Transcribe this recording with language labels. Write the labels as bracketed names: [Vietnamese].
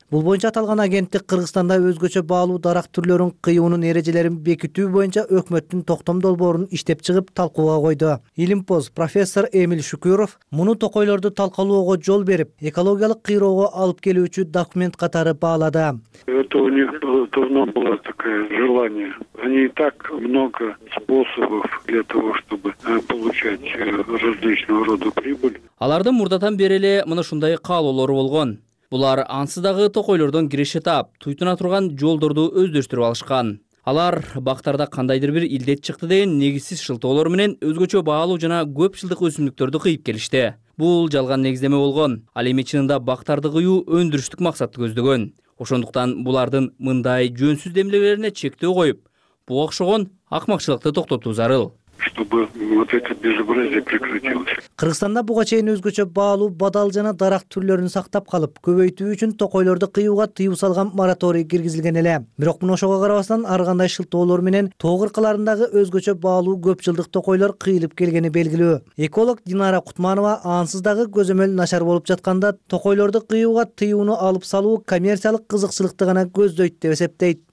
[Kyrgyz] Бул боюнча аталган агенттик Кыргызстанда өзгөчө баалуу дарак түрлөрүн кыюунун эрежелерин бекитүү боюнча өкмөттүн токтом долбоорун иштеп чыгып талкууга койду. Илимпоз профессор Эмиль Шүкүров муну токойлорду талкалоого жол берип, экологиялык кыйроого алып келүүчү документ катары баалады. [Russian] Это у них давно было такое желание. Они и так много способов для того, чтобы получать различного рода прибыль. [Kyrgyz] Алардын мурдатан бери эле мына ушундай каалоолору болгон. Булар ансыз дагы токойлордон кириш этап, туйтуна турган жолдорду өздөштүрүп алышкан. Алар бактарда кандайдыр бир илдет чыкты деген негизсиз шылтоолор менен өзгөчө баалуу жана көп жылдык өсүмдүктөрдү кыйып келишти. Бул жалган негиздеме болгон. Ал эми чынында бактарды кыюу өндүрүштүк максатты көздөгөн. Ошондуктан булардын мындай жөнсүз демилерине чектөө коюп, буга окшогон акмакчылыкты токтотуу зарыл. [Russian] Чтобы вот это безобразие прекратилось. [Kyrgyz] Кыргызстанда буга чейин өзгөчө баалуу бадал жана дарак түрлөрүн сактап калып, көбөйтүү үчүн токойлорду кыюуга тыюу салган мораторий киргизилген эле. Бирок мына ошого карабастан ар кандай шылтоолор менен тоо кыркаларындагы өзгөчө баалуу көп жылдык токойлор кыйылып келгени белгилүү. Эколог Динара Кутманова ансыз дагы көзөмөл начар болуп жатканда токойлорду кыюуга тыюуну алып салуу коммерциялык кызыкчылыкты гана көздөйт деп эсептейт.